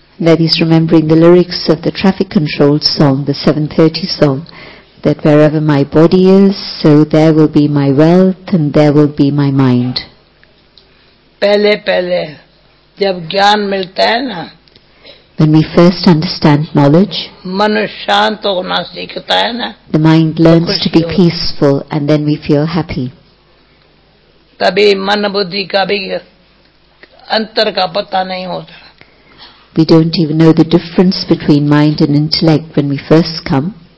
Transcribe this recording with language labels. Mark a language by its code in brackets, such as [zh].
[en] that is remembering the lyrics of the traffic control song the 730 song that where ever my body is so there will be my wealth and there will be my mind [hi] पहले पहले जब ज्ञान मिलता है ना [en] when we first understand knowledge [hi] मन शांत होना सीखता है ना [en] the mind learns to be peaceful and then we feel happy [hi] तभी मन बुद्धि का भी अंतर का पता नहीं होता [en] we don't even know the difference between mind and intellect when we first come